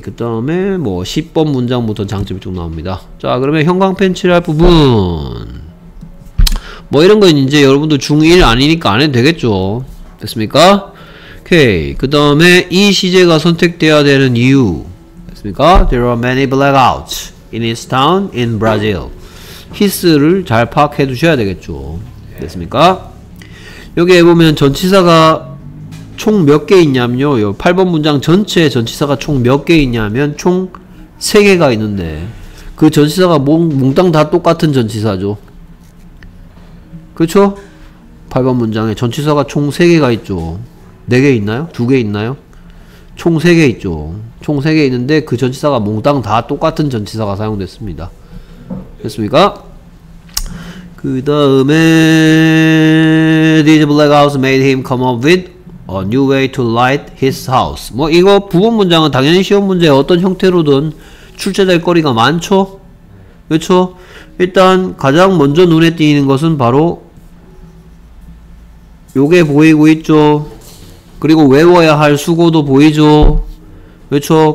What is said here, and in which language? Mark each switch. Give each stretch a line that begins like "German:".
Korean: 그 다음에 뭐 10번 문장부터 장점이 쭉 나옵니다. 자, 그러면 형광펜 칠할 부분 뭐 이런 건 이제 여러분도 중1 아니니까 안 해도 되겠죠. 됐습니까? 오케이. 그 다음에 이 시제가 선택되어야 되는 이유. 됐습니까?
English: There are many blackouts in this town in Brazil.
Korean: 히스를 잘 파악해 두셔야 되겠죠. 됐습니까? 여기에 보면 전치사가 총 몇 개 있냐면요. 8번 문장 전체에 전치사가 총 몇 개 있냐면 총 3개가 있는데 그 전치사가 몽땅 다 똑같은 전치사죠. 그쵸? 8번 문장에 전치사가 총 3개가 있죠. 4개 있나요? 2개 있나요? 총 3개 있죠. 총 3개 있는데 그 전치사가 몽땅 다 똑같은 전치사가 사용됐습니다. 됐습니까? 그 다음에
English: These blackouts made him come up with a new way to light his house.
Korean: 뭐 이거 부분 문장은 당연히 시험 문제에 어떤 형태로든 출제될 거리가 많죠? 그렇죠? 일단 가장 먼저 눈에 띄는 것은 바로 요게 보이고 있죠. 그리고 외워야 할 수고도 보이죠. 그렇죠?